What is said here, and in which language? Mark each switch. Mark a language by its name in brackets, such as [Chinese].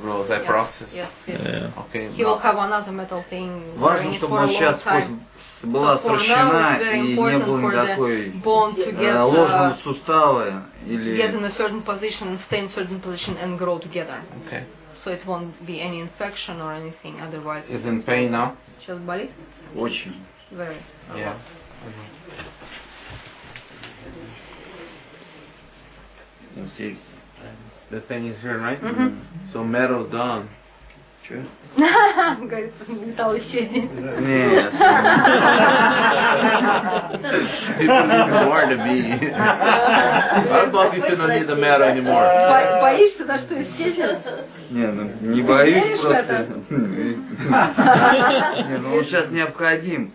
[English] That process. Yes. Okay. He will have another metal thing. [Russian] Важно, чтобы сейчас кость была сращена и не было никакой ложного сустава или. [English] Get in a certain position and stay in a certain position and grow together. Okay. So it won't be any infection or anything otherwise. Is in pain now? [Russian] Сейчас болит? Очень. [English] Very. Yeah. The thing is here, right? So metal gone. [Russian] Че? Говорит, металл исчезнет. Нет. [English] People need more to be. I thought you don't need the metal anymore. [Russian] Боишься, да, что исчезнет? Не, ну не боюсь просто. Не, ну он сейчас необходим.